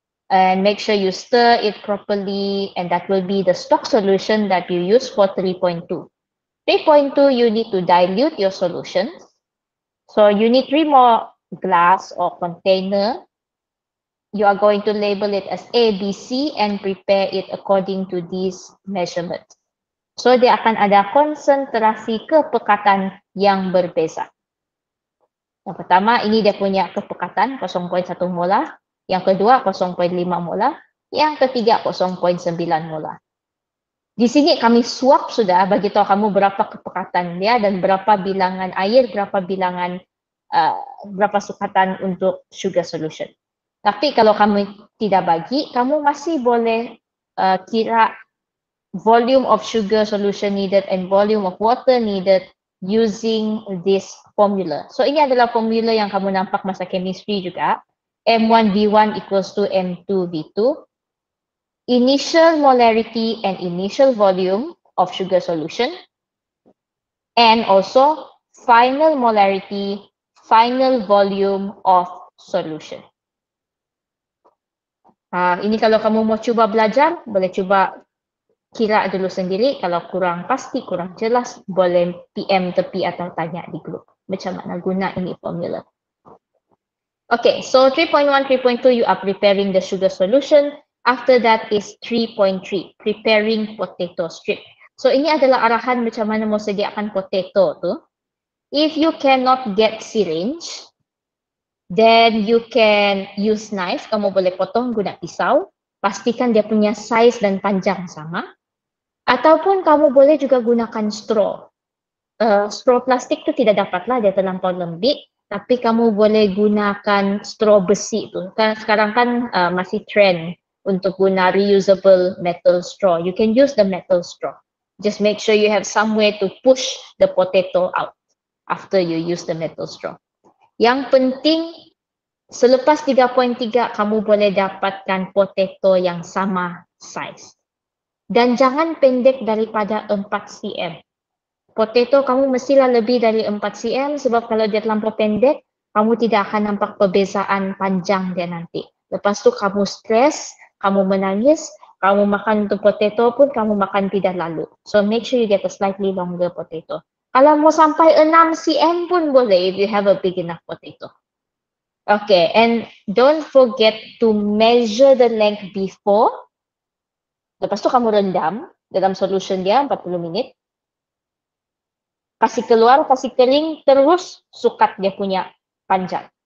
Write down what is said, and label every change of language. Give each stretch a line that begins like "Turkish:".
English: And make sure you stir it properly, and that will be the stock solution that you use for 3.2. 3.2, you need to dilute your solution. So you need 3 more glass or container. You are going to label it as A, B, C and prepare it according to these measurements.
Malay: So dia akan ada konsentrasi kepekatan yang berbeza. Yang pertama, ini dia punya kepekatan 0.1 molar. Yang kedua, 0.5 molar. Yang ketiga, 0.9 molar. Di sini kami swap sudah bagi tahu kamu berapa kepekatan dia dan berapa bilangan air, berapa bilangan, berapa sukatan untuk sugar solution. Tapi kalau kamu tidak bagi, kamu masih boleh kira
English: volume of sugar solution needed and volume of water needed using this formula.
Malay: So ini adalah formula yang kamu nampak masa chemistry juga.
English: M1V1 equals to M2V2. Initial molarity and initial volume of sugar solution. And also final molarity, final volume of solution.
Malay: Ini kalau kamu mau cuba belajar, boleh cuba kira dulu sendiri. Kalau kurang pasti, kurang jelas, boleh PM tepi atau tanya di grup. Macam mana guna ini formula.
English: Okay, so 3.1, 3.2, you are preparing the sugar solution. After that is 3.3, preparing potato strip.
Malay: So ini adalah arahan macam mana mau sediakan potato tu.
English: If you cannot get syringe, then you can use knife.
Malay: Kamu boleh potong guna pisau. pastikan dia punya size dan panjang sama. Ataupun kamu boleh juga gunakan straw. Straw plastik itu tidak dapatlah, dia terlampau lembik. Tapi kamu boleh gunakan straw besi itu. Kan sekarang kan masih trend untuk guna reusable metal straw.
English: You can use the metal straw. Just make sure you have some way to push the potato out after you use the metal straw.
Malay: Yang penting, selepas 3.3, kamu boleh dapatkan potato yang sama size. Dan jangan pendek daripada 4 cm. Potato kamu mestilah lebih dari 4 cm, sebab kalau dia terlampau pendek, kamu tidak akan nampak perbezaan panjang dia nanti. Lepas tu kamu stres, kamu menangis, kamu makan tu potato pun kamu makan tidak lalu.
English: So make sure you get a slightly longer potato.
Malay: Kalau mau sampai 6 cm pun boleh
English: if you have a big enough potato. Okay, and don't forget to measure the length before.
Malay: Lepas tu kamu rendam dalam solution dia 40 minit. Kasih keluar, kasih kering, terus sukat dia punya panjang.